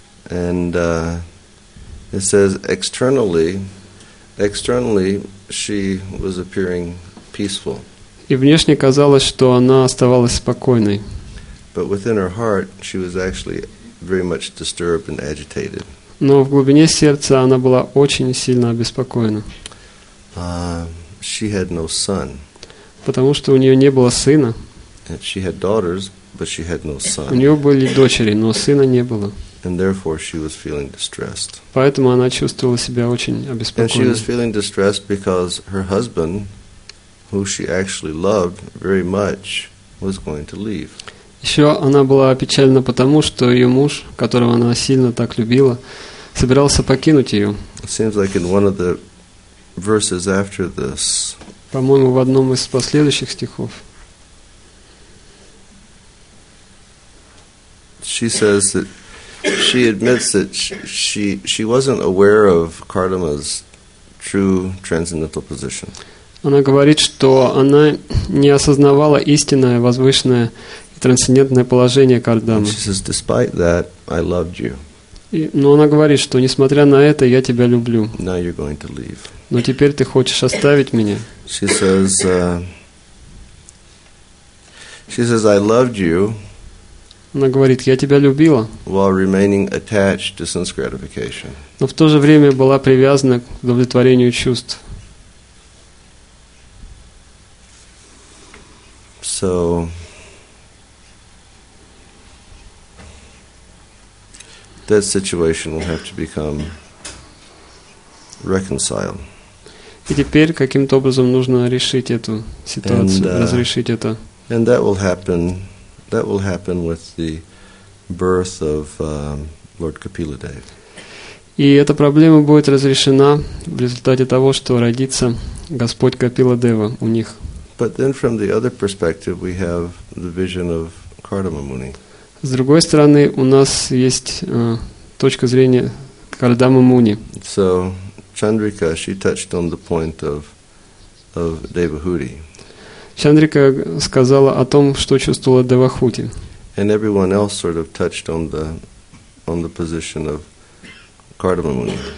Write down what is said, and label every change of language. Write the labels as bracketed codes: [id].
[en] And it says externally she was appearing peaceful. [ru] И внешне казалось, что она оставалась спокойной. [en] But within her heart she was actually very much disturbed and agitated. [ru] Но в глубине сердца она была очень сильно обеспокоена. [en] She had no son. [ru] Потому что у нее не было сына. [en] And she had daughters, but she had no son. [ru] У нее были дочери, но сына не было. [en] And therefore she was feeling distressed. [ru] Поэтому она чувствовала себя очень обеспокоенной. [en] And she was feeling distressed because her husband, who she actually loved very much, was going to leave. [ru] Еще она была опечалена потому, что ее муж, которого она сильно так любила, собирался покинуть ее. [en] It seems like in one of the verses after this. [ru] По-моему, в одном из последующих стихов. [en] She says that she admits that she wasn't aware of Kardama's true transcendental position. [ru] Она говорит, что она не осознавала истинное, возвышенное и трансцендентное положение Кардамы. [en] She says, despite that, I loved you. [ru] Но она говорит, что несмотря на это, я тебя люблю. [en] Now you're going to leave. [ru] Но теперь ты хочешь оставить меня. [en] She says, I loved you. [ru] Она говорит, я тебя любила. [en] While remaining attached to sense gratification. [ru] Но в то же время была привязана к удовлетворению чувств. [en] So. That situation will have to become reconciled. [ru] И теперь каким-то образом нужно решить эту ситуацию, разрешить это. [en] And that will happen with the birth of Lord Kapiladeva. [ru] И эта проблема будет разрешена в результате того, что родится Господь Капила Дева у них. [en] But then from the other perspective we have the vision of Kardama Muni. [ru] С другой стороны, у нас есть точка зрения Кардама Муни. [en] So Chandrika, she touched on the point of Devahuti. [ru] Чандрика сказала о том, что чувствовала Девахути. [en] And everyone else sort of touched on the position of Kardama Muni.